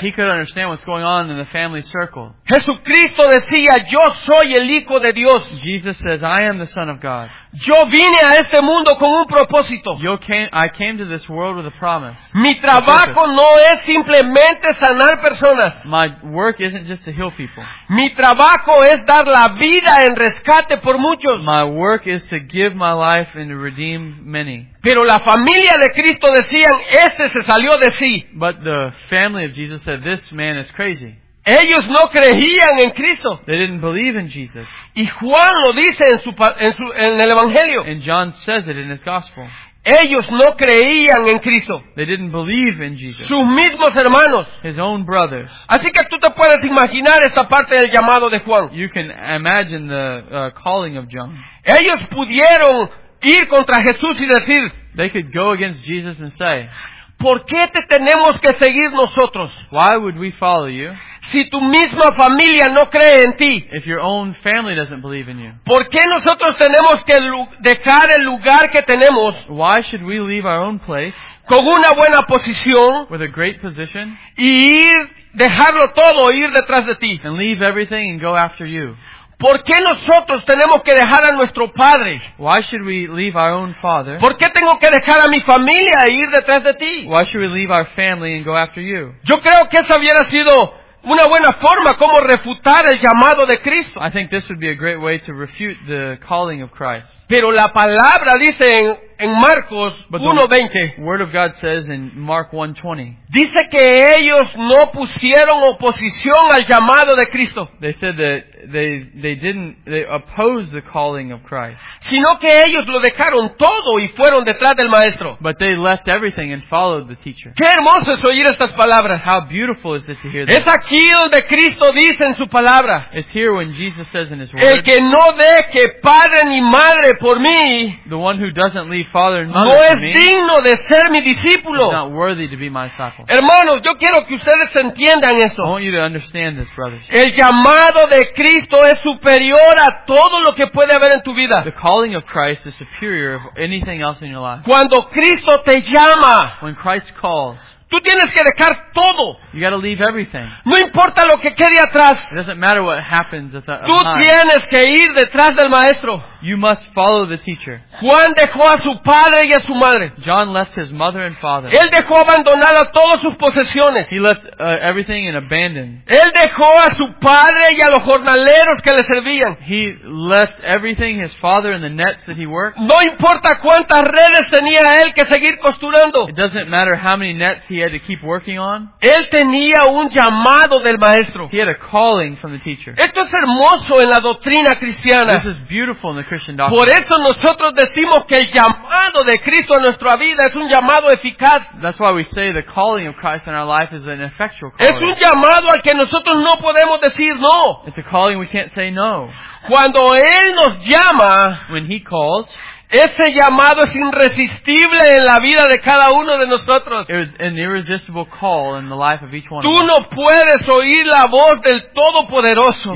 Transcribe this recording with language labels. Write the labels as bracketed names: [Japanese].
[English] He could understand what's going on in the family circle. [Spanish] Jesucristo decía, yo soy el Hijo de Dios. [English] Jesus says, I am the Son of God. [Spanish] Yo vine a este mundo con un propósito. [English] I came to this world with a promise. [Spanish] Mi trabajo no es simplemente sanar personas. [English] My work isn't just to heal people. [Spanish] Mi trabajo es dar la vida en rescate por muchos. [English] My work is to give my life and to redeem many. [Spanish] Pero la familia de Cristo decían, este se salió de sí. [English] But the family of Jesus said, this man is crazy. [Spanish] Ellos no creían en Cristo. [English] They didn't believe in Jesus. [Spanish] Y Juan lo dice en el Evangelio. [English] And John says it in his Gospel. [Spanish] Ellos no creían en Cristo. [English] They didn't believe in Jesus. [Spanish] Sus mismos hermanos. [English] His own brothers. [Spanish] Así que tú te puedes imaginar esta parte del llamado de Juan. [English] You can imagine the calling of John. [Spanish] Ellos pudieron ir contra Jesús y decir, [English] they could go against Jesus and say, [Spanish] ¿por qué te tenemos que seguir nosotros? [English] Why would we follow you? [Spanish] Si tu misma familia no cree en ti. [English] If your own family doesn't believe in you. [Spanish] ¿Por qué nosotros tenemos que dejar el lugar que tenemos? [English] Why should we leave our own place? [Spanish] Con una buena posición. [English] With a great position. [Spanish] Y ir, dejarlo todo, ir detrás de ti. [English] And leave everything and go after you. [Spanish] ¿Por qué nosotros tenemos que dejar a nuestro padre? [English] Why should we leave our own father? [Spanish] ¿Por qué tengo que dejar a mi familia e ir detrás de ti? [English] Why should we leave our family and go after you? [Spanish] Yo creo que esa hubiera sido una buena forma como refutar el llamado de Cristo. [English] I think this would be a great way to refute the calling of Christ. [Spanish] Pero la palabra dice en Marcos 1:20. [English] Word of God says in Mark 1:20. [Spanish] Dice que ellos no pusieron oposición al llamado de Cristo. [English] They said that they opposed the calling of Christ. [Spanish] Sino que ellos lo dejaron todo y fueron detrás del maestro. [English] But they left everything and followed the teacher. [Spanish] Qué hermoso es oír estas palabras. [English] How beautiful is it to hear this? [Spanish] Es aquí donde Cristo dice en su palabra. [English] It's here when Jesus says in his word. [Spanish] El que no deje padre ni madre por mí. [English] The one who doesn't leave father and mother [Spanish] no es digno de ser mi discípulo. [English] Is not worthy to be my disciple. [Spanish] Hermanos, yo quiero que ustedes entiendan eso. [English] I want you to understand this, brothers. [Spanish] El llamado de Cristo es superior a todo lo que puede haber en tu vida. [English] The calling of Christ is superior of anything else in your life. [Spanish] Cuando Cristo te llama, [English] when Christ calls, [Spanish] tú tienes que dejar todo. [English] You gotta leave everything. [Spanish] No importa lo que quede atrás. [English] It doesn't matter what happens at the [Spanish] tú [English] time. [Spanish] Tienes que ir detrás del maestro. [English] You must follow the teacher. [Spanish] Juan dejó a su padre y a su madre. [English] John left his mother and father. [Spanish] Él dejó abandonada todas sus posesiones. [English] He left everything in abandon. [Spanish] Él dejó a su padre y a los jornaleros que le servían. [English] He left everything, his father and the nets that he worked. [Spanish] No importa cuántas redes tenía él que seguir costurando. [English] It doesn't matter how many nets he had to keep working on. [Spanish] Él tenía un llamado del maestro. [English] He had a calling from the teacher. [Spanish] Esto es hermoso en la doctrina cristiana. [English] This is beautiful in the Christian doctrine. [Spanish] Por eso nosotros decimos que el llamado de Cristo a nuestra vida es un llamado eficaz. [English] That's why we say the calling of Christ in our life is an effectual calling. [Spanish] Es un llamado al que nosotros no podemos decir no. [English] It's a calling we can't say no. [Spanish] Cuando Él nos llama, [English] when He calls, [Spanish] ese llamado es irresistible en la vida de cada uno de nosotros. [English] It was an irresistible call in the life of each one. [Spanish] Tú no puedes oír la voz del Todopoderoso.